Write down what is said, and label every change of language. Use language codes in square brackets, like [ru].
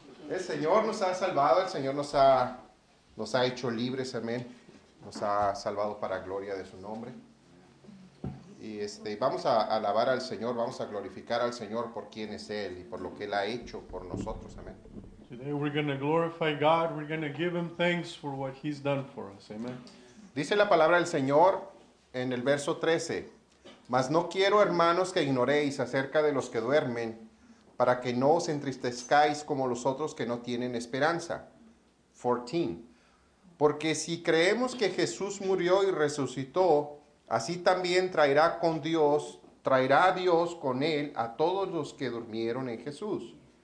[es] El Señor nos ha salvado. El Señor nos ha hecho libres, amén. Nos ha salvado para gloria de su nombre. Y vamos a alabar al Señor. Vamos a glorificar al Señor por quién es Él y por lo que Él ha hecho por nosotros, amén. [en] Today we're going to glorify God. We're going to give Him thanks for what He's done for us. Amen. [es] Dice la palabra del Señor en el verso 13. Mas no quiero, hermanos, que ignoréis acerca de los que duermen, para que no os entristezcáis como los otros que no tienen esperanza. 14. Porque si creemos que Jesús murió y resucitó, así también traerá Dios con Él a todos los que durmieron en Jesús.